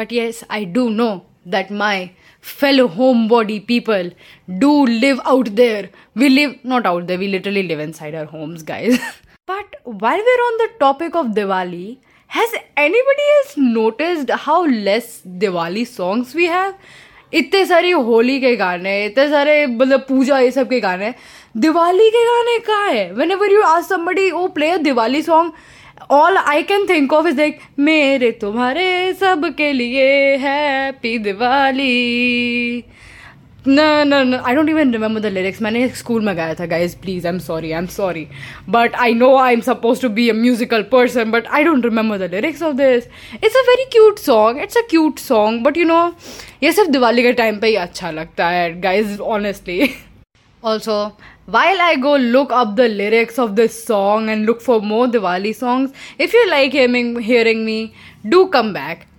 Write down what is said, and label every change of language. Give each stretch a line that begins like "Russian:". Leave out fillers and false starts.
English: But yes, I do know that my fellow homebody people do live out there. We live not out there, we literally live inside our homes, guys. But while we're on the topic of Diwali, Has anybody else noticed how less Diwali songs we have?
Hindi: इतने सारे होली के गाने, इतने सारे मतलब पूजा ये सब के गाने, दिवाली के गाने कहाँ है?
English: Whenever you ask somebody, oh play a Diwali song, all I can think of is like
Hindi: मेरे तुम्हारे सब के लिए
English: happy Diwali. No, I don't even remember the lyrics.
Hindi: मैंने स्कूल में गाया था,
English: guys, please, I'm sorry. But I know I'm supposed to be a musical person, but I don't remember the lyrics of this. It's a very cute song, but you know,
Hindi: ये सिर्फ दिवाली के time पे ही अच्छा लगता है,
English: guys, honestly. Also, while I go look up the lyrics of this song and look for more Diwali songs, if you like hearing me, do come back.